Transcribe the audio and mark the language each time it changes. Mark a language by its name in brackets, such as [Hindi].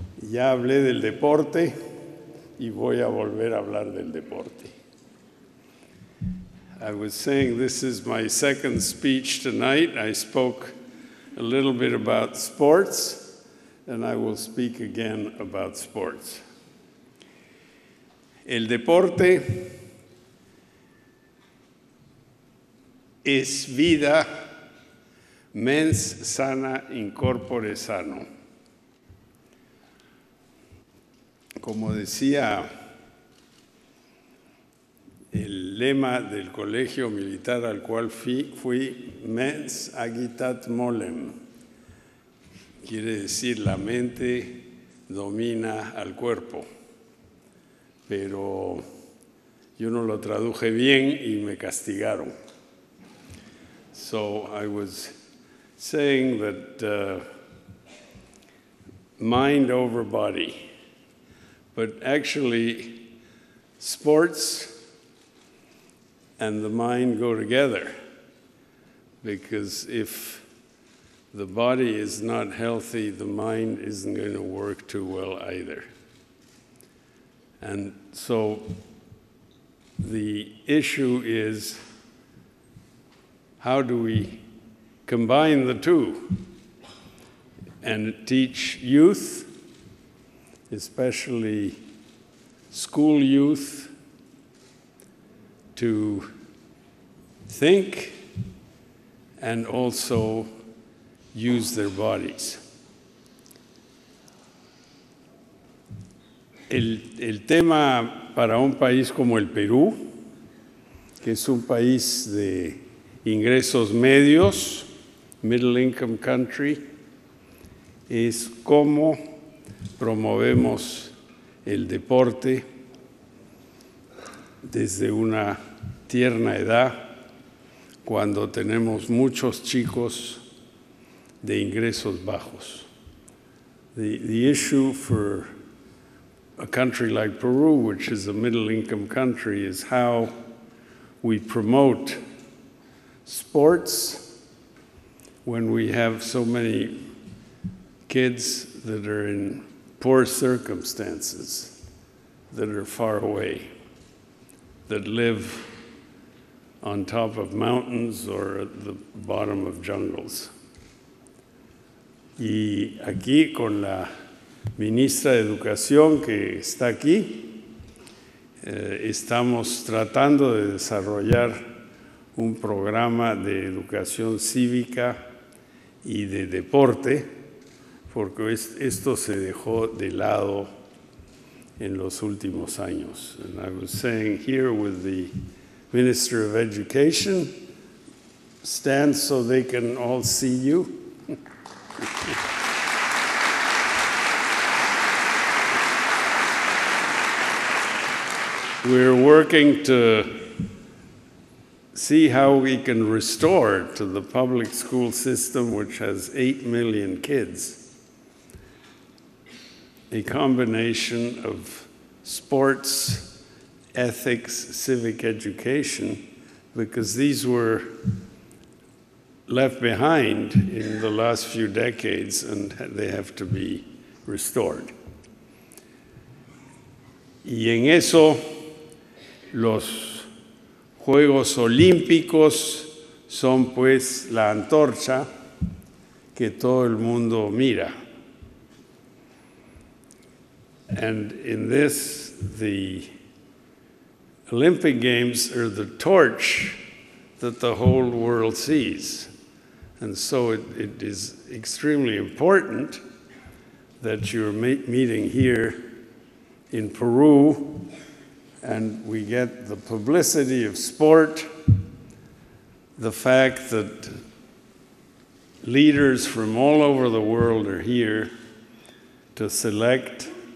[Spanish] Ya hablé del deporte y voy a volver a hablar del deporte. [English] I was saying this is my second speech tonight. I spoke a little bit about sports and I will speak again about sports. [Spanish] El deporte es vida. [Latin] Mens sana, in corpore sano. [Spanish] Como decía el lema del colegio militar al cual fui, [Latin] mens agitat molem, [Spanish] quiere decir la mente domina al cuerpo. Pero yo no lo traduje bien y me castigaron. [English] So I was saying that mind over body, but actually sports and the mind go together, because if the body is not healthy, the mind isn't going to work too well either. And so the issue is, how do we combine the two and teach youth, especially school youth, to think and also use their bodies. [Spanish] El tema para un país como el Perú, que es un país de ingresos medios, [English] middle income country, [Spanish] es cómo promovemos el deporte desde una tierna edad, cuando tenemos muchos chicos de ingresos bajos. [English] The issue for a country like Peru, which is a middle income country, is how we promote sports when we have so many kids that are in poor circumstances, that are far away, that live on top of mountains or at the bottom of jungles. [Spanish] Y aquí con la ministra de Educación que está aquí, estamos tratando de desarrollar un programa de educación cívica y de deporte, porque esto se dejó de lado en los últimos años. [English] And I was saying here with the Minister of Education, stand so they can all see you. We're working to see how we can restore to the public school system, which has 8 million kids, a combination of sports, ethics, civic education, because these were left behind in the last few decades and they have to be restored. [Spanish] Y en eso, los Juegos Olímpicos son pues la antorcha que todo el mundo mira. [English] And in this, the Olympic Games are the torch that the whole world sees. And so it is extremely important that you're meeting here in Peru and we get the publicity of sport, the fact that leaders from all over the world are here to select